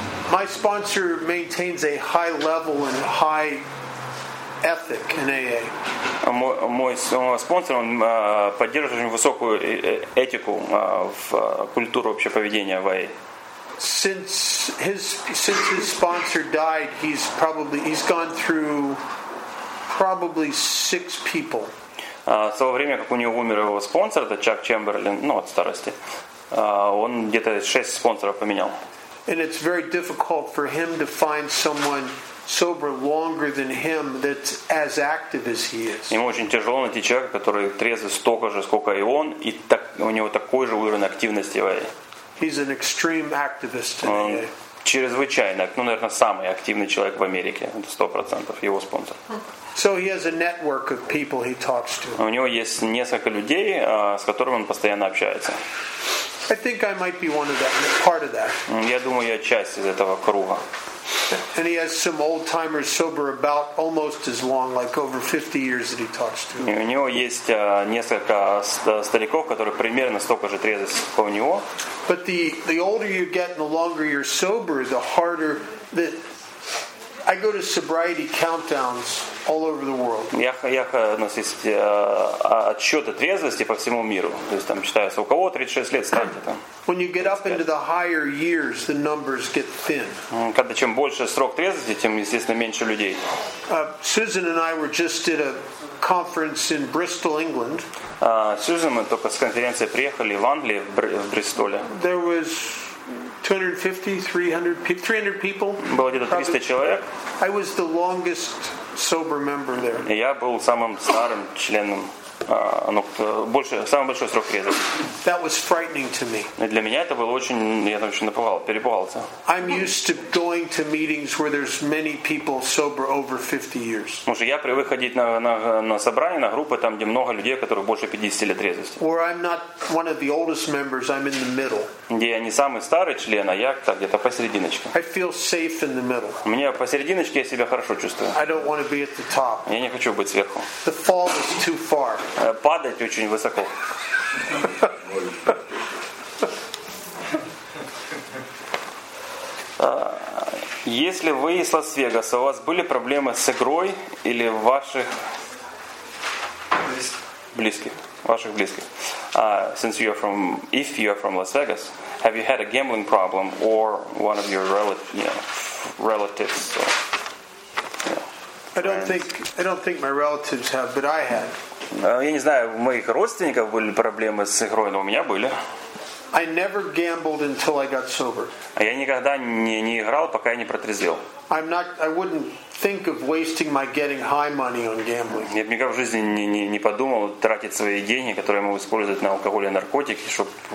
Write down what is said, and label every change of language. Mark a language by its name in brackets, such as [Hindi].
[English] My sponsor maintains a high level and high ethic in AA. [Russian] Мой спонсор, он поддерживает очень высокую этику в культуру общего поведения в AA. [English] Since his sponsor died, he's gone through probably 6 people. [Russian] Со время, как у него умер его спонсор, это Чак Чемберлин, ну, от старости, он где-то 6 спонсоров поменял. [English] And it's very difficult for him to find someone sober longer than him that's as active as he is. [Russian] Ему очень тяжело найти человека, который трезвый столько же, сколько и он, и так, у него такой же уровень активности в AA. [English] He's an extreme activist in AA. [Russian] Он чрезвычайно, наверное, самый активный человек в Америке, 100% его спонсор. [English] So he has a network of people he talks to. [Russian] У него есть несколько людей, с которыми он постоянно общается. [English] I think I might be one of that, part of that. [Russian] Я думаю, я часть из этого круга. [English] And he has some old timers sober about almost as long, like over 50 years that he talks to. [Russian] У него есть несколько стариков, которые примерно столько же трезвы, как у него. [English] But the older you get and the longer you're sober, the harder that I go to sobriety countdowns all over the world. [Russian] Я у нас есть отсчеты трезвости по всему миру. То есть там считается, у кого 36 лет, станьте там. [English] When you get up into the higher years, the numbers get thin. [Russian] Когда чем больше срок трезвости, тем, естественно, меньше людей. [English] Susan and I were just at a conference in Bristol, England. [Russian] Susan, мы только с конференции приехали в Англии, в Бристоле. [English] There was 250, 300 people. [Russian] Было где-то 300 человек. [English] I was the longest sober member there. [Russian] Я был самым старым членом, ну, больше, самый большой срок резов. [English] That was frightening to me. [Russian] Для меня это было очень, я там очень напугал, перепугался. [English] I'm used to going to meetings where there's many people sober over 50 years. [Russian] Может, я привык ходить на собрания, на группы там, где много людей, которые больше 50 лет резвости. [English] Where I'm not one of the oldest members, I'm in the middle. [Russian] Где я не самый старый член, а я так где-то посерединочке. [English] I feel safe in the middle. [Russian] Мне посерединочке я себя хорошо чувствую. [English] I don't want to be at the top. [Russian] Я не хочу быть сверху. [English] The fall is too far. [Russian] Падать очень высоко. Если вы из Лас-Вегаса, у вас были проблемы с игрой или ваших близких? Ваших близких. [English] Since you are from, if you are from Las Vegas, have you had a gambling problem or one of your relatives? Or, you know, I don't think my relatives have, but I had. [Russian] Я не знаю, у моих родственников были проблемы с игрой, но у меня были. [English] I never gambled until I got sober. [Russian] Я никогда не играл, пока я не протрезвел. [English] I wouldn't think of wasting my getting high money on gambling. [Russian] Я никогда в жизни не подумал тратить свои деньги, которые я могу использовать на алкоголь и наркотики, чтобы.